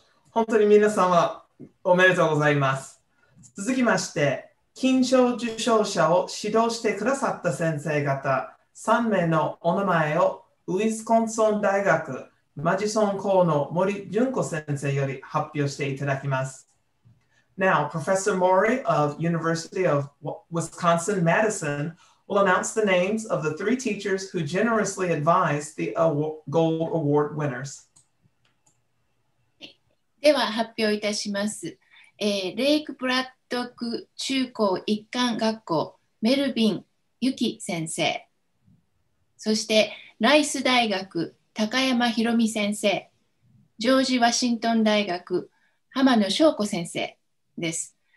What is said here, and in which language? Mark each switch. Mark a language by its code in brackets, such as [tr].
[ja] 本当に皆さんはおめでとうございます。続きまして金賞受賞者を指導してくださった先生方3名のお名前をウィスコンソン大学マジソン校の森純子先生より発表していただきます。 [en] Now, Professor Mori of University of Wisconsin-Madison will announce the names of the three teachers who generously advised the Gold Award winners. [ja] では発表いたします。レイクブラッドク中高一貫学校メルビン・ユキ先生。そしてライス大学高山ひろみ先生。ジョージ・ワシントン大学浜野翔子先生。です。